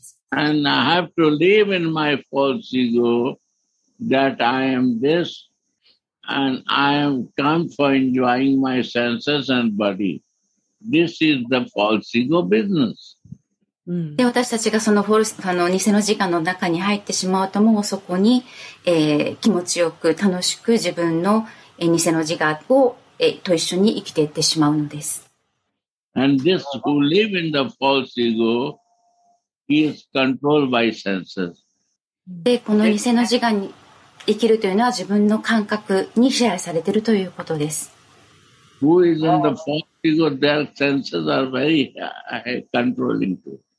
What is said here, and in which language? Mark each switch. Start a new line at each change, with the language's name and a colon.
English: And I have to live in my false ego that I am this and I am come for enjoying my senses and bodyThis is the false ego business.
Japanese: で私たちがそのフォルス、あの偽の自我の中に入ってしまうと、もうそこに、気持ちよく楽しく自分の、偽の自我を、と一緒に生きていってしまうのです。
English: And this who live in the false ego is controlled by senses.
Japanese: でこの偽の自我に生きるというのは自分の感覚に支配されているということです。
English: Who is in the false ego, their senses are very controlling too.